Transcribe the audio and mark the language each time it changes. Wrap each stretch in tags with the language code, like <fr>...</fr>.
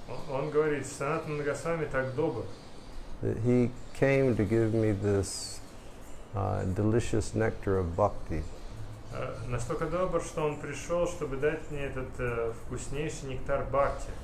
<ru>Он говорит, Санатана Госвами так добр.</ru> <en>That he came to give me this delicious nectar of bhakti.</en> <ru>Настолько добр, что он пришел, чтобы дать мне этот вкуснейший нектар бхакти.</ru>